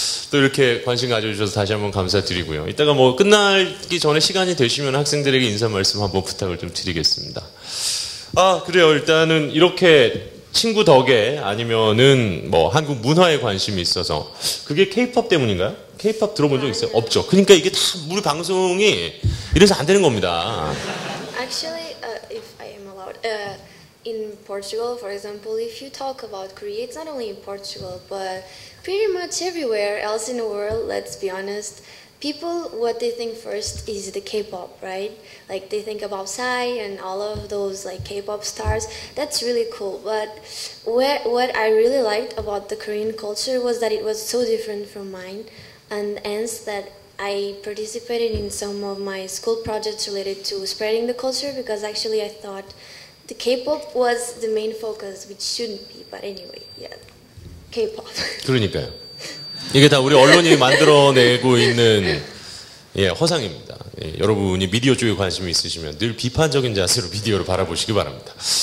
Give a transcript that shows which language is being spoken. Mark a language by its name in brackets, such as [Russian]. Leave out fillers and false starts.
[Korean] 또 이렇게 관심 가져주셔서 다시 한번 감사드리고요. 이따가 뭐 끝나기 전에 시간이 되시면 학생들에게 인사 말씀 한번 부탁을 좀 드리겠습니다. 아 그래요. 일단은 이렇게 친구 덕에 아니면은 뭐 한국 문화에 관심이 있어서 그게 케이팝 때문인가요? 케이팝 들어본 적 있어요? 없죠. 그러니까 이게 다 우리 방송이 이래서 안 되는 겁니다. [English] Actually, if I am allowed, in Portugal, for example, if you talk about Korea, it's not only in Portugal, but pretty much everywhere else in the world. Let's be honest. People, what they think first is the K-pop, right? Like they think about Psy and all of those like K-pop stars. That's really cool. But what I really liked about the Korean culture was that it was so different from mine. And hence that I participated in some of my school projects related to spreading the culture because actually I thought the K-pop was the main focus, which shouldn't be. But anyway, yeah, K-pop. [Korean] 그러니까요. 이게 다 우리 언론이 만들어내고 있는 예, 허상입니다. 예, 여러분이 미디어 쪽에 관심이 있으시면 늘 비판적인 자세로 미디어를 바라보시기 바랍니다.